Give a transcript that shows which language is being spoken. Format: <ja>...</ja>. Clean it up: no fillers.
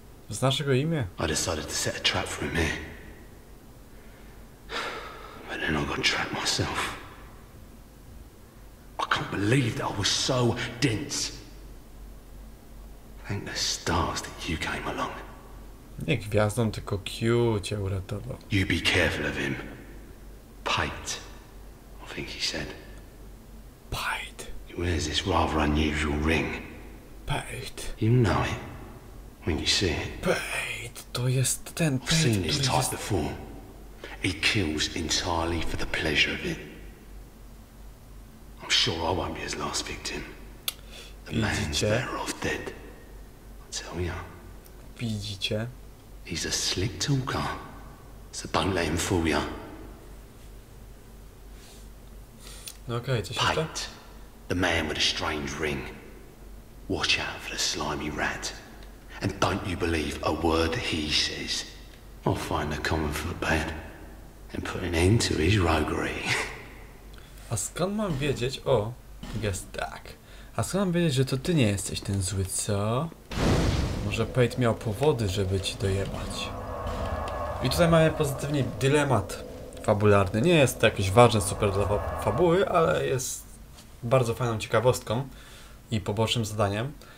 <pl>Znasz jego imię?</pl> <en>I decided to set a trap for him here. But then I got trapped myself. I can't believe that I was so dense. Thank the stars that you came along.</en> <pl>Nie gwiazdą, tylko Q cię uratował.</pl> <en>You be careful of him. Pite, I think he said. Pite. Where's this rather unusual ring? Paid. You know it when you see it.</en> <pl>Paid. To jest ten</pl> <en>Paid. I've seen this type before. He kills entirely for the pleasure of it. I'm sure I won't be his last victim. The man's better off dead. I tell ya.</en> <pl>Widzicie?</pl> <en>He's a slick talker. So don't let him fool ya.</en> <pl>No, okay, coś jeszcze?</pl> <en>Pate, the man with a strange ring. Watch out for the slimy rat. And don't you believe a word he says. I'll find a common footpad and put an end to his roguery.</en> <pl>A skąd mam wiedzieć, o, jest tak. A skąd mam wiedzieć, że to ty nie jesteś ten zły, co? Może Pate miał powody, żeby ci dojebać. I tutaj mamy pozytywnie dylemat fabularny. Nie jest to jakieś ważne super dla fabuły, ale jest bardzo fajną ciekawostką i pobocznym zadaniem.</pl>